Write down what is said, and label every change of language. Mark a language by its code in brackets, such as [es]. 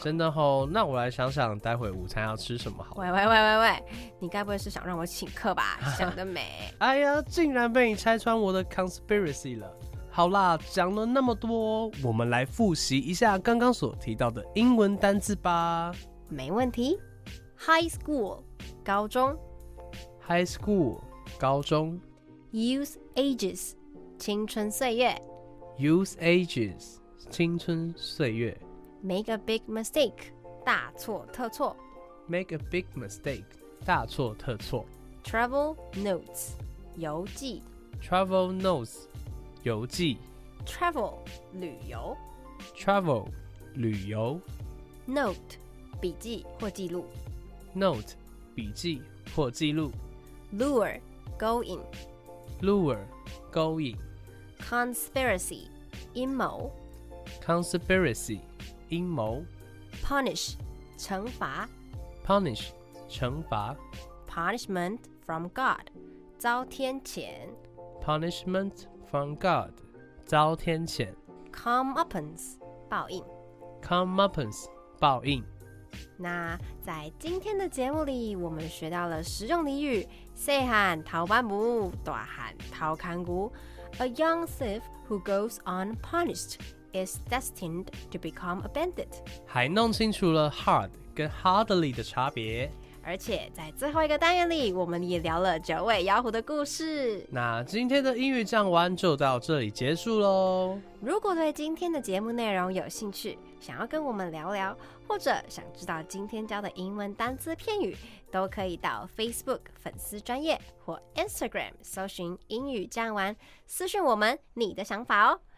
[zh] 真的吼，那我来想想，待会午餐要吃什么好。喂，你该不会是想让我请客吧？想得美！哎呀，竟然被你拆穿我的 conspiracy 了。好啦，讲了那么多，我们来复习一下刚刚所提到的英文单字吧。没问题。 [en] High school， [zh] 高中。 [en] High school， [zh] 高中。 [en] Youth ages， [zh] 青春岁月。 [en] Youth ages， [zh] 青春岁月。 [en] Make a big mistake， [zh] 大错特错。 [en] Make a big mistake， [zh] 大错特错。 [en] Travel notes， [zh] 游记。 [en] Travel notes。 [zh] 游记 [en] Travel [zh] 旅游 [en] Travel [zh] 旅游 Note 笔记或记录 Note 笔记或记录 [en] Lure [zh] 勾引 [en] Lure [zh] 勾引 [en] Conspiracy [zh] 阴谋 [en] Conspiracy [zh] 阴谋 [en] Punish [zh] 惩罚 [en] Punish [zh] 惩罚 [en] Punishment from God [zh] 遭天谴 [en] PunishmentFrom God， [zh] 遭天谴。 [en] Comeuppance， [zh] 报应。 [en] Comeuppance， [zh] 报应。那在今天的节目里，我们学到了实用俚语：细汉偷斑母，大汉偷看骨。 [en] A young thief who goes unpunished is destined to become a bandit。 [zh] 还弄清楚了 hard 跟 hardly 的差别。而且在最后一个单元里，我们也聊了九尾妖狐的故事。那今天的英语讲完就到这里结束咯。如果对今天的节目内容有兴趣，想要跟我们聊聊，或者想知道今天教的英文单字片语，都可以到 Facebook 粉丝专页或 Instagram 搜寻英语讲完，私讯我们你的想法哦。